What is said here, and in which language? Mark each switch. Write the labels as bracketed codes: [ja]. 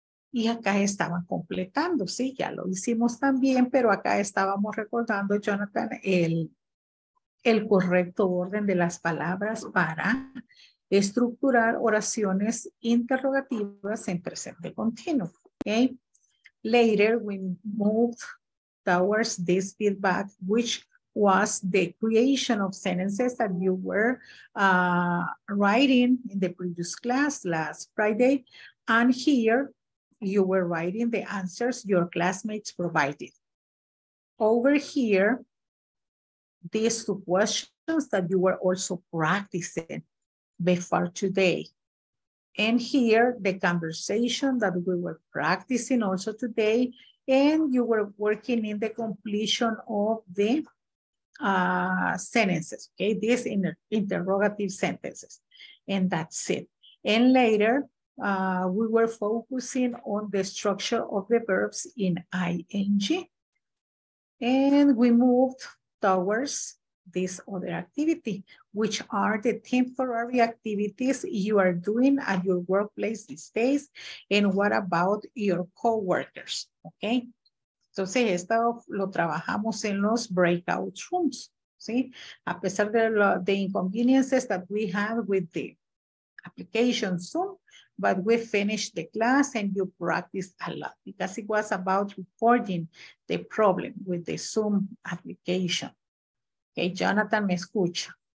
[es] Y acá estaban completando, sí, ya lo hicimos también, pero acá estábamos recordando, Jonathan, el correcto orden de las palabras para estructurar oraciones interrogativas en presente continuo. [en] Okay? Later, we moved towards this feedback, which was the creation of sentences that you were writing in the previous class last Friday. And here, you were writing the answers your classmates provided. Over here, these two questions that you were also practicing before today. And here, the conversation that we were practicing also today, and you were working in the completion of the sentences, okay? These interrogative sentences, and that's it. And later, we were focusing on the structure of the verbs in ing. And we moved towards this other activity, which are the temporary activities you are doing at your workplace these days. And what about your coworkers? Okay. [es] Entonces, esto lo trabajamos en los breakout rooms. ¿Sí? A pesar de [en] the inconveniences that we had with the application Zoom, but we finished the class and you practiced a lot because it was about recording the problem with the Zoom application. [es] Okay, Jonathan, me escucha.